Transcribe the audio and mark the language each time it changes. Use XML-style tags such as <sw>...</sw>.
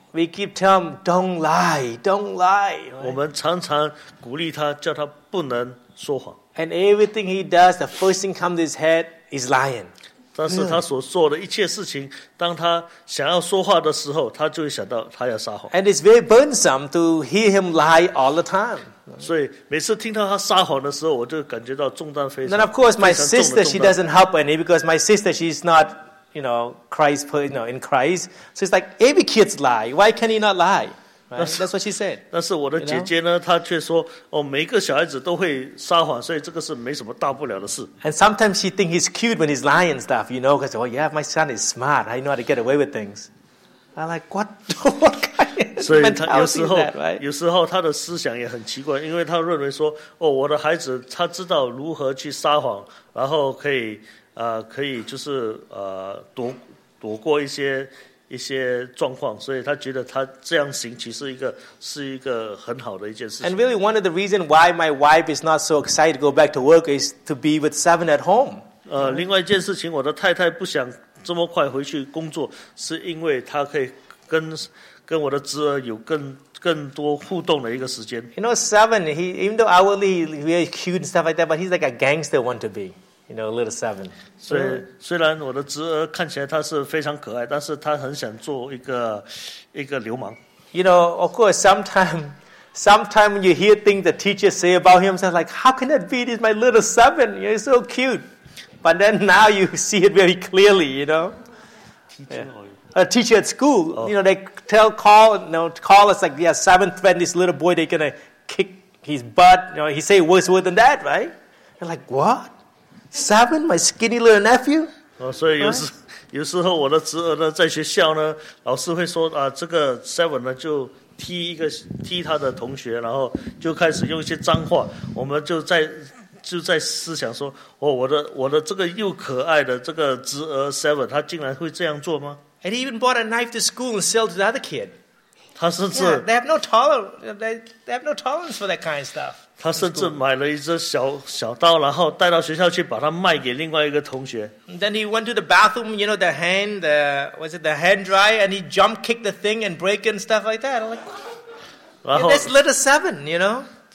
<en>We keep telling him, don't lie, don't lie.</en> <zh>我们常常鼓励他, 叫他不能说谎。</zh> <en>And everything he does, the first thing comes to his head is lying.</en> <zh>但是他所做的一切事情, 当他想要说话的时候, 他就会想到他要撒谎。</zh> <en>And it's very burdensome to hear him lie all the time.</en> <zh>所以每次听到他撒谎的时候, 我就感觉到重担非常,</zh> <en>And of course, my sister, she doesn't help any, because my sister, she's not, you know, Christ, you know, in Christ. So it's like, every kid's lie. Why can he not lie? Right? That's what she said.</en> <zh>但是我的姐姐呢,</zh> <en>you know?</en> <zh>她却说, 哦, 每个小孩子都会撒谎, 所以这个是没什么大不了的事。</zh> <en>And sometimes she thinks he's cute when he's lying and stuff, you know, because, oh yeah, my son is smart, I know how to get away with things. I'm like, what kind of mentality is that, right?</en> <zh>有时候她的思想也很奇怪, 因为她认为说, 哦, 我的孩子, 他知道如何去撒谎, 然后可以, 可以就是, 躲过一些, 一些状况, 所以他觉得他这样行其实一个, 是一个很好的一件事情。</zh> <en>And really one of the reasons why my wife is not so excited to go back to work is to be with seven at home.</en> <zh>另外一件事情, 我的太太不想这么快回去工作, 是因为他可以跟我的侄儿有更多互动的一个时间。</zh> <en>You know, seven, he, even though hourly he's very cute and stuff like that, but he's like a gangster one to be. You know, little seven.</en> <zh>所以虽然我的侄儿看起来他是非常可爱, 但是他很想做一个流氓。</zh> <en>You know, of course, sometime you hear things the teacher say about him, it's like, how can that be? He's my little seven. You're so cute. But then now you see it very clearly, you know. Teacher. Yeah. A teacher at school, oh. You know, they tell, call, you know, call us like, yeah, seven threatened this little boy, they're going to kick his butt, you know, he say worse word than that, right? You're like, what? Seven, my skinny little nephew? Oh, so you</en> <zh>有时候我的侄儿呢在学校呢，老师会说啊，这个 Seven 呢就踢他的同学，然后就开始用一些脏话。我们就在思想说，哦，我的这个又可爱的这个侄儿 Seven， 他竟然会这样做吗</zh> <en>？And he even brought a knife to school and sold to the other kid.</en> <zh>他甚至</zh> <en>yeah, they have no tolerance. They have no tolerance for that kind of stuff.</en> <zh>他甚至买了一只小刀，然后带到学校去把它卖给另外一个同学。</zh> <en>Then he went to the bathroom, you know, the hand, the, was it the hand dry, and he jump kicked the thing and break it and stuff like that. I'm like, yeah, that's little seven, you know?</en>